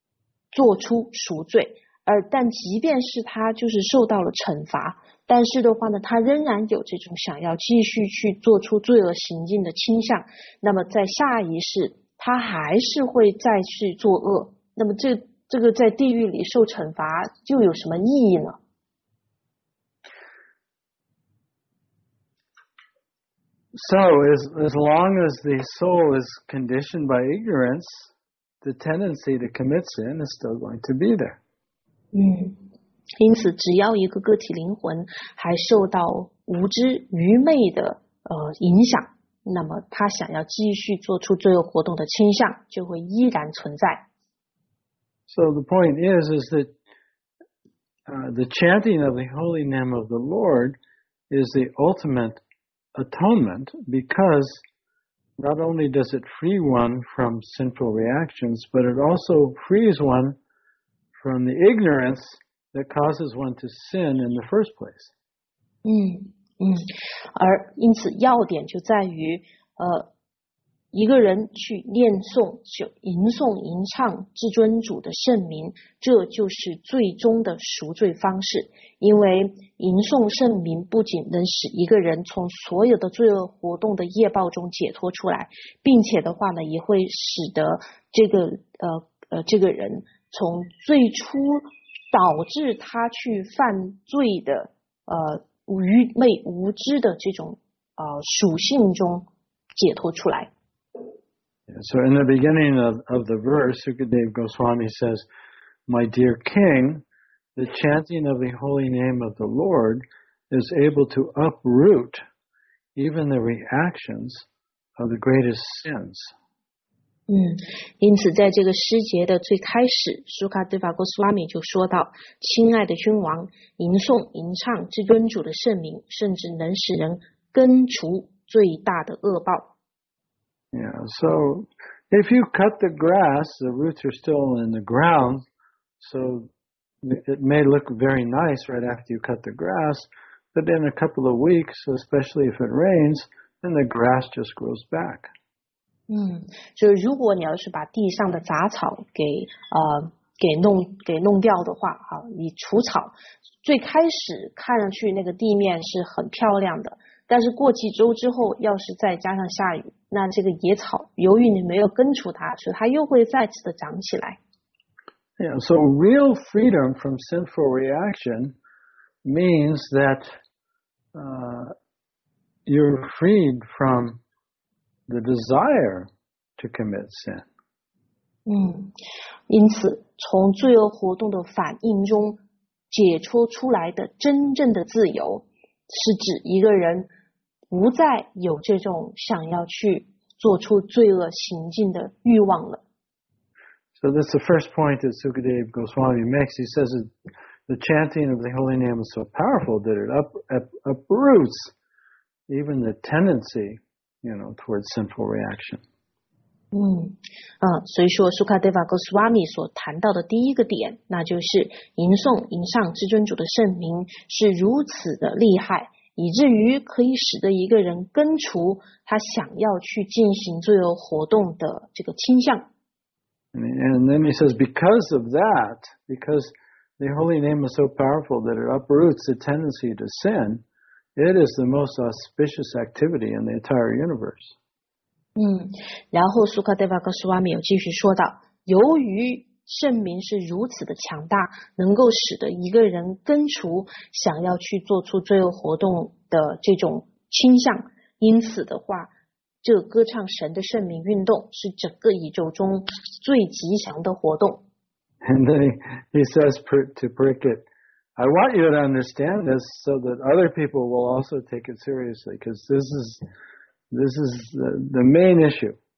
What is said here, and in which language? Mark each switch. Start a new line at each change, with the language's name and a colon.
Chinese: 而最开始苏卡德帕尔克希特王所问到的问题就是一个很罪恶的人，他被抓到地狱去，然后他在那里去由于他的罪行而做出赎罪。但即便是他就是受到了惩罚，但是的话呢，他仍然有这种想要继续去做出罪恶行径的倾向。那么在下一世，他还是会再去作恶。那么这这个在地狱里受惩罚又有什么意义呢？
English: So as long as the soul is conditioned by ignorance, the tendency to commit sin is still going to be there.
Chinese: 因此只要一个个体灵魂还受到无知愚昧的影响，那么他想要继续做出罪恶活动的倾向就会依然存在。
English: So the point is that the chanting of the holy name of the Lord is the ultimate atonement, because not only does it free one from sinful reactions, but it also frees one from the ignorance that causes one to sin in the first place.
Chinese: 而因此要点就在于一个人去念诵就吟诵吟唱至尊主的圣名，这就是最终的赎罪方式。因为吟诵圣名不仅能使一个人从所有的罪恶活动的业报中解脱出来，并且的话呢也会使得这个人从最初导致他去犯罪的愚昧无知的这种属性中解脱出来。
English: So in the beginning of the verse, Sukadeva Goswami says, "My dear King, the chanting of the holy name of the Lord is able to uproot even the reactions of the greatest sins."
Chinese: 因此在这个诗节的最开始， Sukadeva Goswami 就说到，亲爱的君王，吟诵吟唱至尊主的圣名，甚至能使人根除最大的恶报。
English: Yeah, so if you cut the grass, the roots are still in the ground, so it may look very nice right after you cut the grass, but in a couple of weeks, especially if it rains, then the grass just grows back.
Chinese: 所以如果你要是把地上的杂草给弄掉的话，你除草，最开始看上去那个地面是很漂亮的，但是过几周之后要是再加上下雨，那这个野草由于你没有根除它，所以它又会再次的长起来。
English: Yeah, so real freedom from sinful reaction means that you're freed from the desire to commit sin.
Chinese: 因此从罪恶活动的反应中解脱出来的真正的自由，是指一个人不再有这种想要去做出罪恶行径的欲望了。
English: So that's the first point that Sukadeva Goswami makes. He says that the chanting of the holy name is so powerful that it uproots even the tendency, you know, towards sinful reaction.
Chinese: 所以说 Sukadeva Goswami 所谈到的第一个点，那就是吟诵吟唱至尊主的圣名是如此的厉害，以至于可以使得一个人根除他想要去进行罪恶活动的这个倾向。
English: And then he says, because of that, because the holy name is so powerful that it uproots the tendency to sin, it is the most auspicious activity in the entire universe.
Chinese: 然后 Sukadeva Goswami 又继续说道，由于圣名是如此的强大，能够使得一个人根除想要去做出罪恶活动的这种倾向，因此的话，这歌唱神的圣名运动是整个宇宙中最吉祥的活动。
English: And then he says to Pricket, "I want you to understand this so that other people will also take it seriously, because this is the main issue."